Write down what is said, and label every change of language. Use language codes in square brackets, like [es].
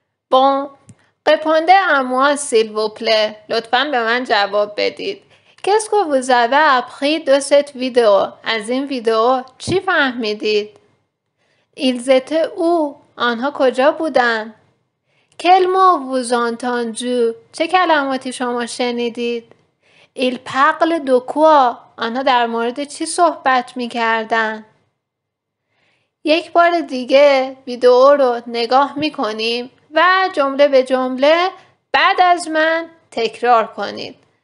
[fr] Bon, répondez à moi s'il vous plaît. [fa] لطفاً به من جواب بدید. [fr] Qu'est-ce que vous avez appris de cette vidéo? [fa] از این ویدئو چی فهمیدید؟ [fr] Ils étaient où? [fa] آنها کجا بودن؟ [fr] Quel mot vous entendu? [fa] چه کلماتی شما شنیدید؟ [fr] Ils parlent de quoi? [fa] آنها در مورد چی صحبت می‌کردند؟ یک بار دیگه ویدئو رو نگاه می‌کنیم و جمله به جمله بعد از من تکرار کنید.